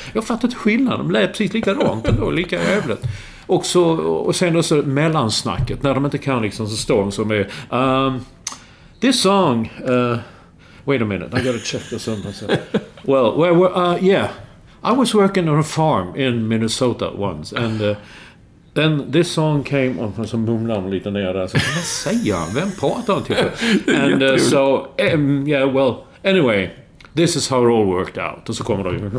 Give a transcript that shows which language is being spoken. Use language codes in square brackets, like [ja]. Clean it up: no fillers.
[sv] Jag fattade inte skillnad, de lät precis likadant ändå, lika jävligt. Och sen så mellansnacket när de inte kan liksom, så står de som är [en] this song wait a minute, I gotta check this out. Well, yeah, I was working on a farm in Minnesota once, and then this song came on. [sv] Så mumlar han lite ner där. Så vad säger han? Vem pratar han till? [en] And so, yeah, well, anyway, this is how it all worked out. [sv] Och så kommer de.